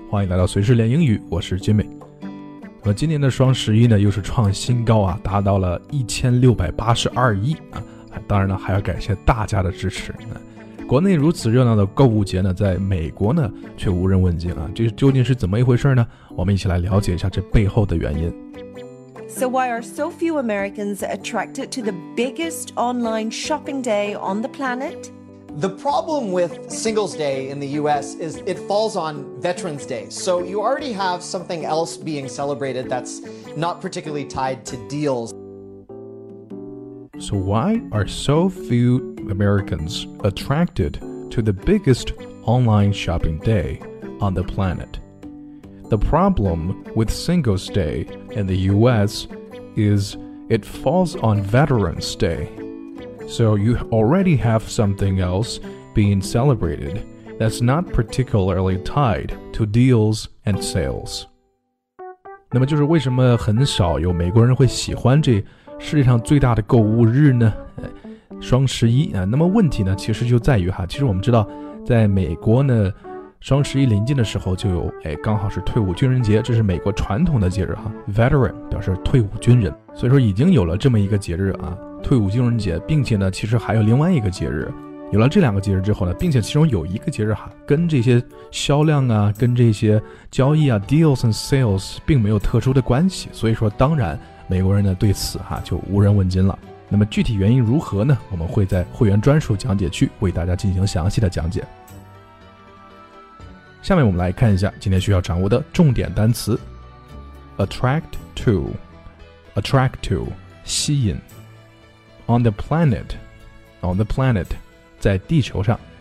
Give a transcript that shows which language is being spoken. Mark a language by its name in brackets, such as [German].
[Chinese] 欢迎来到随时练英语，我是 Jimmy。那今年的双十一呢，又是创新高啊，达到了1682亿啊！当然呢，还要感谢大家的支持。国内如此热闹的购物节呢，在美国呢却无人问津啊！这究竟是怎么一回事呢？我们一起来了解一下这背后的原因。 [English] So why are so few Americans attracted to the biggest online shopping day on the planet? The problem with Singles Day in the US is it falls on Veterans Day. So you already have something else being celebrated that's not particularly tied to deals. So why are so few Americans attracted to the biggest online shopping day on the planet? The problem with Singles Day in the US is it falls on Veterans Day. So you already have something else being celebrated that's not particularly tied to deals and sales. [Chinese] 那么就是为什么很少有美国人会喜欢这世界上最大的购物日呢？双十一啊。那么问题呢，其实就在于哈，其实我们知道，在美国呢，双十一临近的时候就有刚好是退伍军人节，这是美国传统的节日哈。 Veteran 表示退伍军人，所以说已经有了这么一个节日啊。退伍军人节，并且呢其实还有另外一个节日，有了这两个节日之后呢，并且其中有一个节日哈，跟这些销量啊，跟这些交易啊 [English] deals and sales [Chinese] 并没有特殊的关系，所以说当然美国人呢对此哈就无人问津了。那么具体原因如何呢，我们会在会员专属讲解区为大家进行详细的讲解。下面我们来看一下今天需要掌握的重点单词。 [English] Attract to [Chinese] 吸引。 [English] On the planet, [Chinese] 在地球上。